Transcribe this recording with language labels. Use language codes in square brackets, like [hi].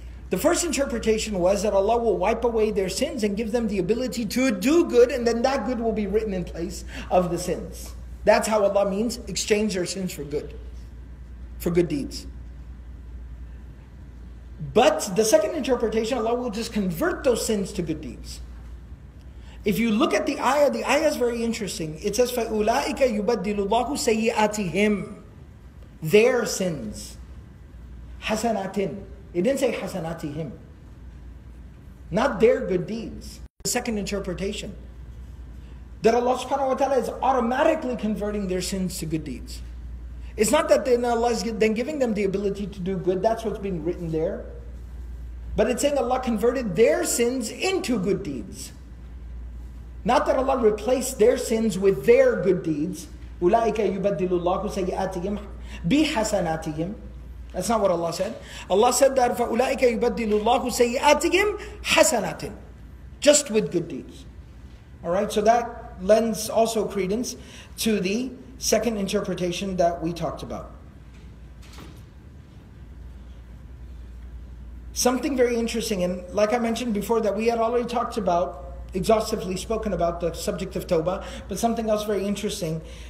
[en] The first interpretation was that Allah will wipe away their sins and give them the ability to do good, and then that good will be written in place of the sins. That's how Allah means exchange their sins for good, for good deeds. But the second interpretation, Allah will just convert those sins to good deeds. If you look at the ayah is very interesting. It says, [ar] فَأُولَٰئِكَ يُبَدِّلُ اللَّهُ سَيِّئَاتِهِمْ. [en] Their sins. [ar] حَسَنَاتٍ. [en] It didn't say [ar] hasanati him. [en] Not their good deeds. The second interpretation. That Allah subhanahu wa ta'ala is automatically converting their sins to good deeds. It's not that then Allah is then giving them the ability to do good. That's what's being written there. But it's saying Allah converted their sins into good deeds. Not that Allah replaced their sins with their good deeds. [ar] Ulaika yubaddilu Allahu sayyatihim bi hasanatihim. [en] That's not what Allah said. Allah said that [ar] فَأُولَٰئِكَ يُبَدِّلُ اللَّهُ سَيِّئَاتِهِمْ حَسَنَاتٍ. [en] Just with good deeds. Alright, so that lends also credence to the second interpretation that we talked about. Something very interesting, and like I mentioned before, that we had already talked about, exhaustively spoken about the subject of Tawbah, but something else very interesting.